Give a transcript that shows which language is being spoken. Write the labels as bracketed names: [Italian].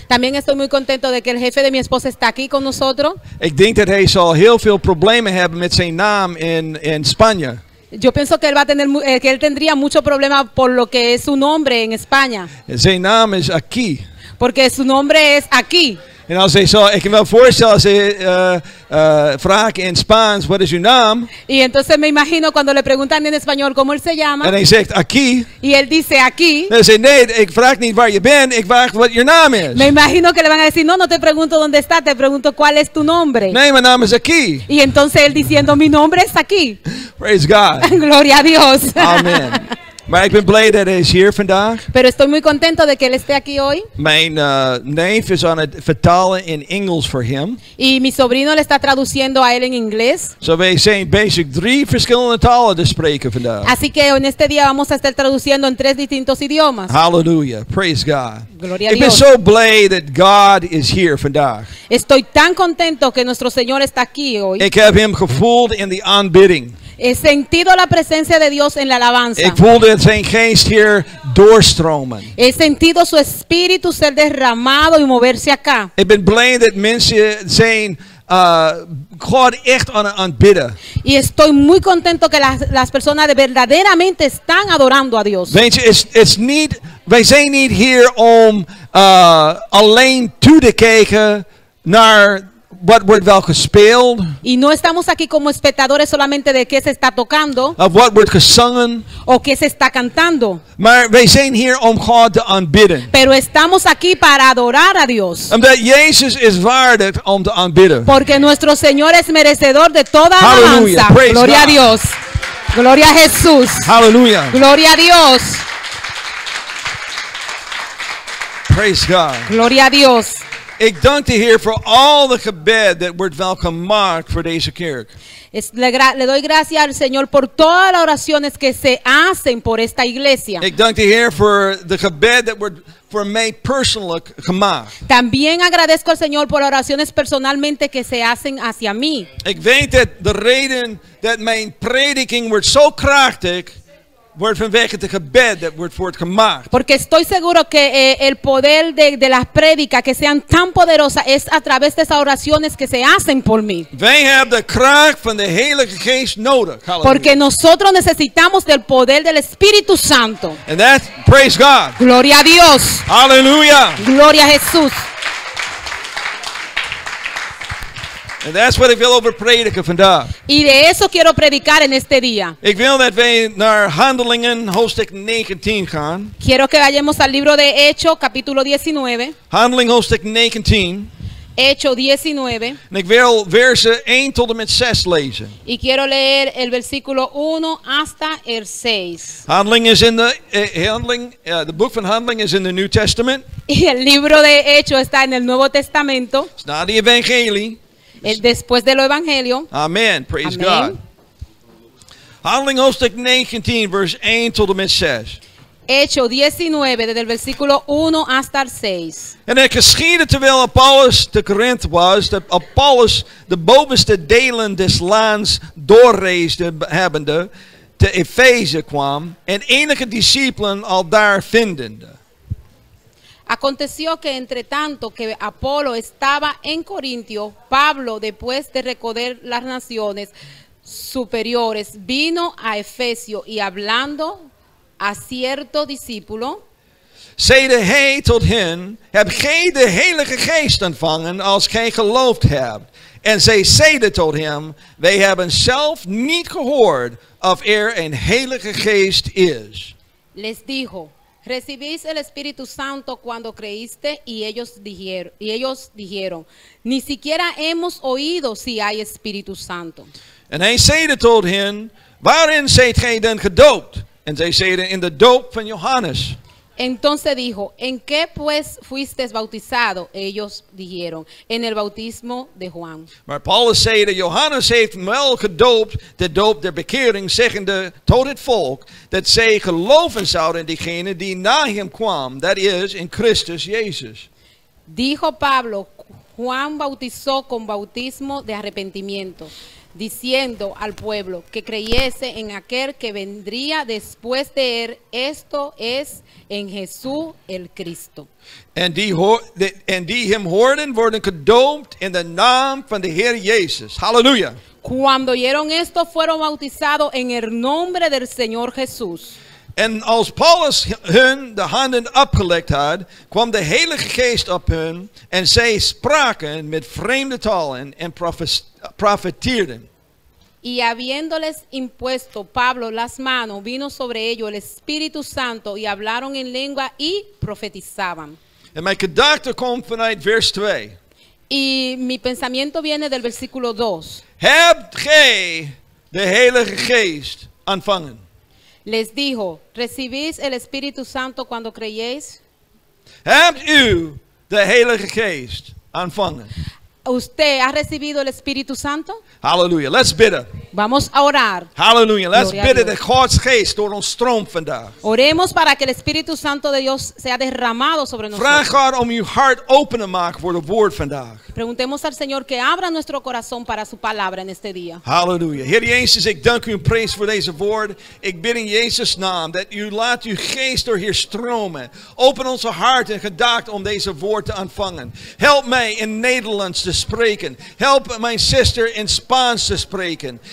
[Spanish] También estoy muy contento de que el jefe de mi esposa está aquí con nosotros. [Dutch] Ik denk dat hij zal heel veel problemen hebben met zijn naam in Spanje. [Spanish] Yo pienso que él va a tener que él tendría mucho problema por lo que es su nombre en España. [Dutch] Zijn naam is aquí. [Spanish] Porque su nombre es aquí. [Dutch] En als hij zou, ik kan me voorstellen als hij vraagt in Spaans, [English] what is your name? [Spanish] Y entonces me imagino cuando le preguntan en español cómo él se llama. [Dutch] En hij zegt aquí. [Spanish] Y él dice aquí. [Dutch] En hij zegt nee, ik vraag niet waar je bent, ik vraag [English] what your name is. [Spanish] Me imagino que le van a decir, no, no te pregunto dónde está, te pregunto cuál es tu nombre. [Dutch] Nee, mijn naam is aquí. [Spanish] Y entonces él diciendo, mi nombre es aquí. [English] Praise God. [Spanish] Gloria a Dios. Amen. [Dutch] Maar ik ben blij dat hij is hier vandaag. [Spanish] Pero estoy muy contento de que él esté aquí hoy. [Dutch] Mijn neef is aan het vertalen in Engels voor hem. [Spanish] Y mi sobrino le está traduciendo a él en inglés. [Dutch] So we zijn basic drie verschillende talen te spreken vandaag. [Spanish] Así que en este día vamos a estar traduciendo en tres distintos idiomas. [English] Hallelujah. Praise God. [Spanish] Gloria a [Dutch] Ik ben zo blij dat God is hier vandaag. [Spanish] Estoy tan contento que nuestro Señor está aquí hoy. [Dutch] Ik heb hem gevoeld in de aanbidding. [Spanish] He sentido la presencia de Dios en la alabanza. [Dutch] Ik voelde zijn geest hier doorstromen. [Spanish] He sentido su espíritu ser derramado y moverse acá. [Dutch] Ik ben blij dat mensen zijn God echt aan het bidden. [Spanish] Y estoy muy contento que las personas de verdaderamente están adorando a Dios. [Dutch] Weet je, it's niet, wij zijn niet hier om alleen toe te kijken naar what wordt wel gespeeld? [Spanish] Y no estamos aquí como espectadores solamente de qué se está tocando. [Dutch] Of what wordt gezongen? [Spanish] O qué se está cantando. [Dutch] Maar wij zijn hier om God te aanbidden. [Spanish] Pero estamos aquí para adorar a Dios. [Dutch] Omdat Jezus is waardig om te aanbidden. [Spanish] Porque nuestro Señor es merecedor de toda alabanza. Gloria [Dutch] God. [Spanish] A Dios. Gloria a Jesús. Hallelujah. Gloria a Dios. [English] Praise God. [Spanish] Gloria a Dios. [Dutch] Ik dank de Heer voor al de gebed dat wordt wel gemaakt voor deze kerk. [Spanish] Le doy gracias al Señor por todas las oraciones que se hacen por esta iglesia. [Dutch] Ik dank de Heer voor de gebed dat wordt voor mij persoonlijk gemaakt. [Spanish] También agradezco al Señor por oraciones personalmente que se hacen hacia mí. [Dutch] Ik weet dat de reden dat mijn prediking wordt zo krachtig wordt vanwege het gebed dat wordt voortgemaakt. [Spanish] Porque estoy seguro que el poder de las prédicas que sean tan poderosas es a través de esas oraciones que se hacen por mí. [Dutch] Wij hebben de kracht van de Heilige Geest nodig. Halleluja. [Spanish] Porque nosotros necesitamos del poder del Espíritu Santo. [English] And that's praise God. [Spanish] Gloria a Dios. Aleluya. Gloria a Jesús. [English] And that's what I [Dutch] wil over prediken vandaag. [Spanish] Y de eso quiero predicar en este día. [Dutch] Ik wil dat wij naar Handelingen hoofdstuk 19 gaan. [Spanish] Quiero que vayamos al libro de Hechos capítulo 19. [Dutch] Handelingen hoofdstuk 19. [Spanish] Hechos 19. [Dutch] En ik wil versen 1 tot en met 6 lezen. [Spanish] Y quiero leer el versículo 1 hasta el 6. [English] The book of Handelingen is in the New Testament. [Spanish] Y el libro de Hechos está en el Nuevo Testamento. [English] It's not the Evangelii. [Spanish] Después de lo evangelio. [English] Amen. Praise Amen. God. [Dutch] Handeling hoofdstuk 19, vers 1 tot en met 6. [Spanish] Hecho 19, desde el versículo 1 hasta el 6. [Dutch] En het geschiedde terwijl Apollos te Korinthe was, dat Apollos de bovenste delen des lands doorreisde hebbende, te Efeze kwam, en enige discipelen al daar vindende. [Spanish] Aconteció que entre tanto que Apolo estaba en Corintio, Pablo, después de recorrer las naciones superiores, vino a Efesio y hablando a cierto discípulo, [Dutch] zeide hij tot hen, heb gij de Heilige Geest ontvangen als gij geloofd hebt? En zij zeide tot hem, wij hebben zelf niet gehoord of er een Heilige Geest is. [Spanish] Les dijo, recibís el Espíritu Santo cuando creíste y ellos dijeron, ni siquiera hemos oído si hay Espíritu Santo. [Dutch] En hij zeide tot hen, waarin zijt gij dan gedoopt? En zij zeiden, in de doop van Johannes. [Spanish] Entonces dijo, ¿en qué pues fuisteis bautizado? Ellos dijeron, en el bautismo de Juan. [Dutch] Maar Paulus zei dat Johannes heeft wel gedoopt, de doop der bekering, zeggende tot het volk, dat zij geloven zouden in diegene die na hem kwam, dat is in Christus Jezus. [Spanish] Dijo Pablo, Juan bautizó con bautismo de arrepentimiento, diciendo al pueblo que creyese en aquel que vendría después de él, esto es en Jesús el Cristo. [Dutch] En die hem hoorden worden gedoopt in de naam van de Heer Jezus. Halleluja. [Spanish] Cuando oyeron esto fueron bautizados en el nombre del Señor Jesús. [Dutch] En als Paulus hun de handen opgelegd had, kwam de Heilige Geest op hun en zij spraken met vreemde talen en profeteerden. [Spanish] Y habiéndoles impuesto Pablo las manos, vino sobre ellos el Espíritu Santo y hablaron en lengua y profetizaban. [Dutch] En mijn gedachte komt vanuit vers 2. [Spanish] Y mi pensamiento viene del versículo 2. [Dutch] Hebt gij de Heilige Geest ontvangen? [Spanish] Les dijo, ¿recibís el Espíritu Santo cuando creyéis? [Dutch] Hebt u de Heilige Geest ontvangen? [Spanish] ¿Usted ha recibido el Espíritu Santo? [English] Hallelujah, let's bid it. [Spanish] Vamos a orar. [English] Hallelujah, let's bid it, that [Dutch] God's Geest door ons stroomt vandaag. [Spanish] Oremos para que el Espíritu Santo de Dios sea derramado sobre nosotros. [Dutch] Vraag God om uw hart open te maken voor het woord vandaag. [Spanish] Preguntemos al Señor que abra nuestro corazón para su palabra en este día. Hallelujah. [Dutch] Heer Jezus, ik dank u en prijs voor deze woord. Ik bid in Jezus' naam dat u laat uw geest door hier stromen. Open onze hart en gedachten om deze woord te ontvangen. Help mij in Nederlands te spreken. Help mijn zuster in Spaans te spreken.